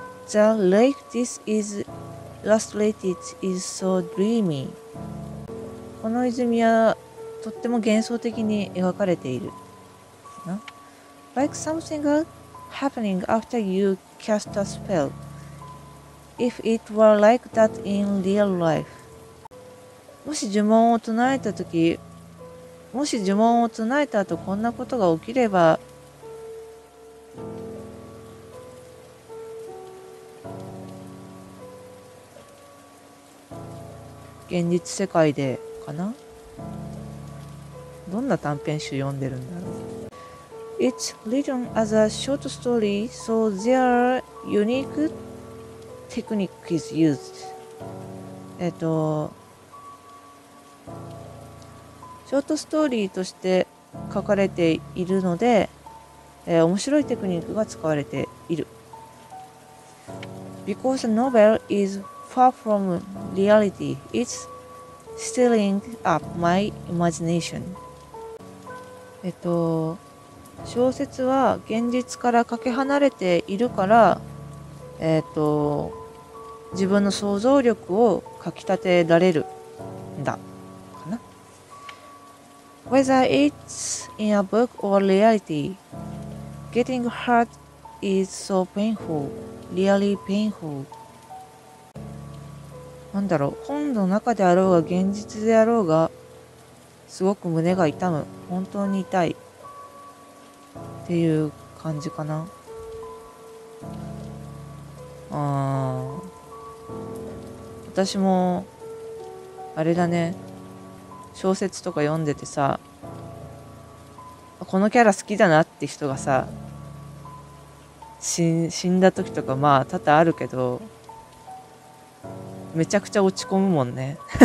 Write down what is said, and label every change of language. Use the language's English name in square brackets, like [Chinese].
[English] The lake this is illustrated is so dreamy. [Japanese] この泉はとっても幻想的に描かれている。 [English] Like something happening after you cast a spell. If it were like that in real life. [Japanese] もし呪文を唱えたとき、もし呪文を唱えた後こんなことが起きれば、現実世界でかな。どんな短編集読んでるんだろう。 [English] It's written as a short story, so there are unique techniques used. [Japanese] ショートストーリーとして書かれているので、面白いテクニックが使われている。 [English] Because the novel is far from reality, it's stirring up my imagination. [Japanese] 小説は現実からかけ離れているから、自分の想像力をかきたてられるんだ。 [English] Whether it's in a book or reality, getting hurt is so painful, really painful. [Japanese] なんだろう、本の中であろうが現実であろうが、すごく胸が痛む、本当に痛いっていう感じかな。ああ、私もあれだね、小説とか読んでてさ、このキャラ好きだなって人がさ、死んだ時とかまあ多々あるけど、めちゃくちゃ落ち込むもんね。